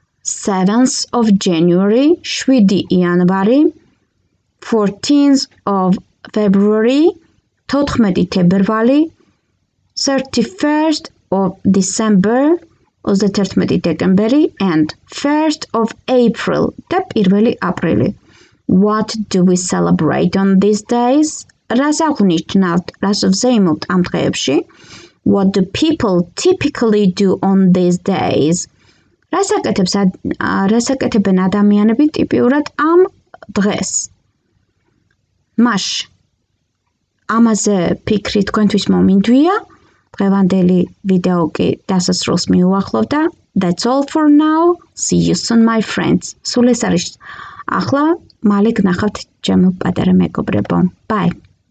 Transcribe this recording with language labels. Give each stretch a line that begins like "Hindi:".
English: 7th of January,
Georgian: 7 იანვარი,
English: 14th of February,
Georgian: 14 თებერვალი,
English: 31st of December,
Georgian: 31 დეკემბერი,
English: and 1st of April,
Georgian: და 1 აპრილი.
English: What do we celebrate on these days?
Georgian: რას აღნიშნავთ, რას ვზეიმობთ ამ დღეებში?
English: What do people typically do on these days?
Georgian: რასაკეთებენ ადამიანები ტიპიურად ამ დღეს? მაშ, ამაზე ფიქრი თქვენთვის მომინდვია. დღევანდელი ვიდეო კი დასასრულს მიუახლოვდა.
English: That's all for now. See you soon, my friends.
Georgian: სულ ეს არის. ახლა მალე გნახავთ ჩემო პატარა მეგობრებო.
English: Bye.